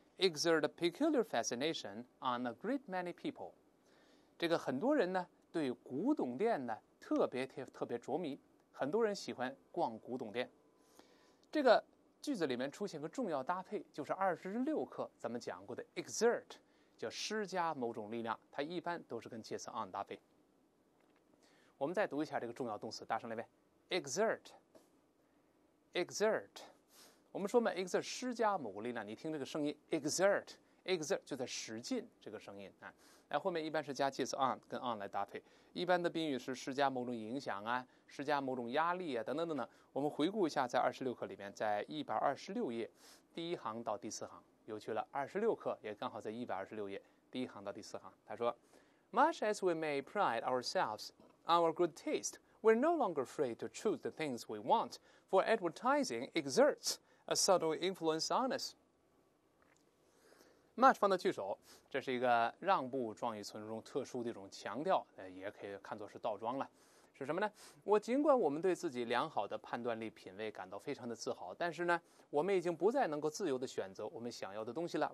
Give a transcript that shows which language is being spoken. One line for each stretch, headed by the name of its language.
English: Exert a peculiar fascination on a great many people.
Chinese: 这个很多人呢，对古董店呢特别着迷，很多人喜欢逛古董店。这个句子里面出现个重要搭配，就是26课咱们讲过的 exert， 叫施加某种力量，它一般都是跟介词 on 搭配。我们再读一下这个重要动词，大声来呗 ，exert， exert。我们说嘛 ，exert 施加某个力量，你听这个声音 ，exert 就在使劲这个声音啊。那后面一般是加介词 on 跟 on 来搭配，一般的宾语是施加某种影响啊，施加某种压力啊，等等等等。我们回顾一下，在26课里面，在126页第1行到第4行，有趣了。 26课也刚好在126页第1行到第4行。他说
English: ，Much as we may pride ourselves on our good taste, we're no longer free to choose the things we want, for advertising exerts. A subtle influence on us.
Chinese: Much 放到句首，这是一个让步状语存中特殊的一种强调，也可以看作是倒装了。是什么呢？尽管我们对自己良好的判断力、品味感到非常的自豪，但是呢，我们已经不再能够自由的选择我们想要的东西了。